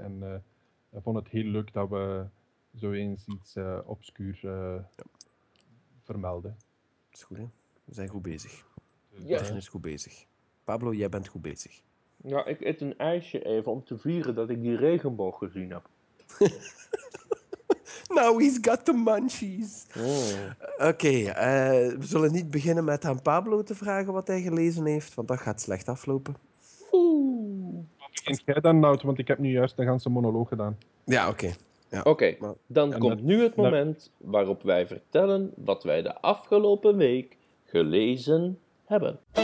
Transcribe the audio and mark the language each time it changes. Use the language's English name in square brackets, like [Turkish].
[Dutch] En hij vond het heel leuk dat we zo eens iets obscuur vermelden. Dat is goed, hè? We zijn goed bezig. Iedereen is goed bezig. Pablo, jij bent goed bezig. Ja, ik eet een ijsje even om te vieren dat ik die regenboog gezien heb. [English] Now he's got the munchies. [Dutch] Oh. Oké, we zullen niet beginnen met aan Pablo te vragen wat hij gelezen heeft, want dat gaat slecht aflopen. Oeh. Wat begint jij dan, Nout? Want ik heb nu juist een ganse monoloog gedaan. Ja, oké. Okay. Ja. Oké, dan komt nu het moment waarop wij vertellen wat wij de afgelopen week gelezen hebben.